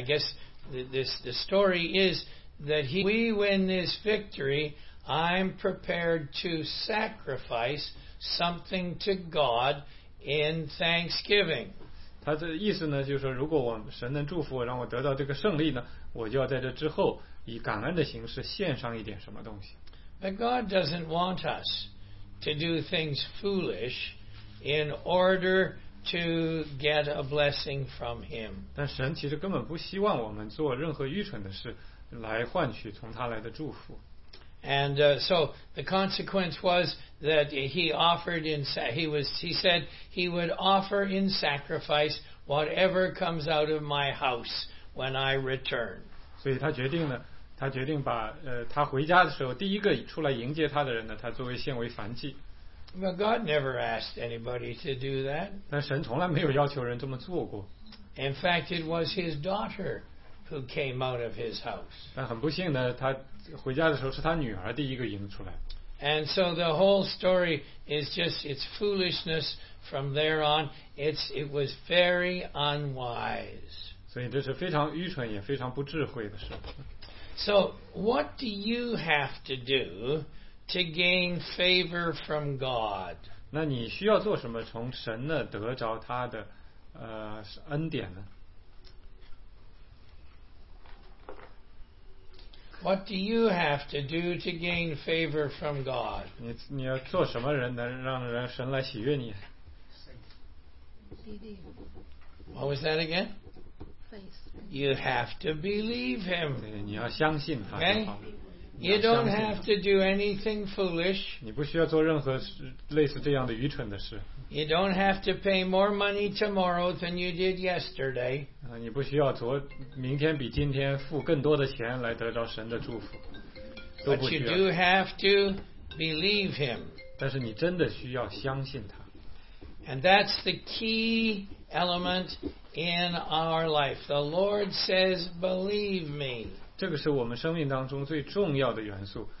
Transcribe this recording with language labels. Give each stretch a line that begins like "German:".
English: I guess the story is that if we win this victory, I'm prepared to sacrifice something to God in thanksgiving.
Chinese: 他的意思呢，就是说，如果我神能祝福我，让我得到这个胜利呢，我就要在这之后以感恩的形式献上一点什么东西。
English: But God doesn't want us to do things foolish in order to get a blessing from Him.
Chinese: 但神其实根本不希望我们做任何愚蠢的事来换取从他来的祝福。
English: And so the consequence was that he said he would offer in sacrifice whatever comes out of my house when I return.
Chinese: 所以他决定呢，他决定把他回家的时候第一个出来迎接他的人呢，他作为献为燔祭。
English: But God never asked anybody to do that.
Chinese: 但神从来没有要求人这么做过。
English: In fact, it was his daughter who came out of his house.
Chinese: 但很不幸呢，他回家的时候是他女儿第一个迎出来。
English: And so the whole story is just its foolishness from there on. It was very unwise.
Chinese: 所以这是非常愚蠢也非常不智慧的事。
English: So what do you have to do to gain favor from God?
Chinese: 那你需要做什么从神呢得着他的恩典呢？
English: What do you have to do to gain favor from God?
Chinese: 你要做什么人能让人神来喜悦你？
English: What was that again? You have to believe him.
Chinese: 你要相信他。
English: You don't have to do anything foolish.
Chinese: 你不需要做任何类似这样的愚蠢的事。
English: You don't have to pay more money tomorrow than you did yesterday.
Chinese: 你不需要明天比今天付更多的钱来得到神的祝福。
English: But you do have to believe him.
Chinese: 但是你真的需要相信他。
English: And that's the key element in our life. The Lord says, believe me.
Chinese: 这个是我们生命当中最重要的元素。